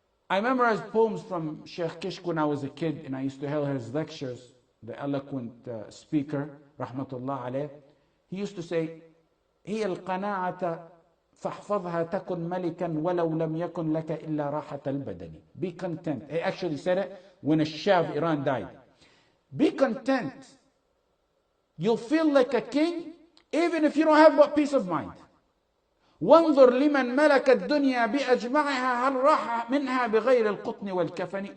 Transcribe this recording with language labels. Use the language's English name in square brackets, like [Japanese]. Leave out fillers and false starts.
[English] I memorized poems from Sheikh Kishk when I was a kid, and I used to hear his lectures, the eloquent speaker, rahmatullah alayh. He used to say, [Arabic] هِيَ الْقَنَاعَةَ فَحْفَظْهَا تَكُنْ مَلِكًا وَلَوْ لَمْ يَكُنْ لَكَ إِلَّا رَاحَةَ الْبَدَنِ. [English] Be content. He actually said it when a Shah of Iran died. Be content. You'll feel like a king, even if you don't have what peace of mind. [Arabic] وَانْظُرْ لِمَنْ مَلَكَ الدُّنْيَا بِأَجْمَعِهَا هَلْ رَحَ مِنْهَا بِغَيْرِ الْقُطْنِ وَالْكَفَنِ.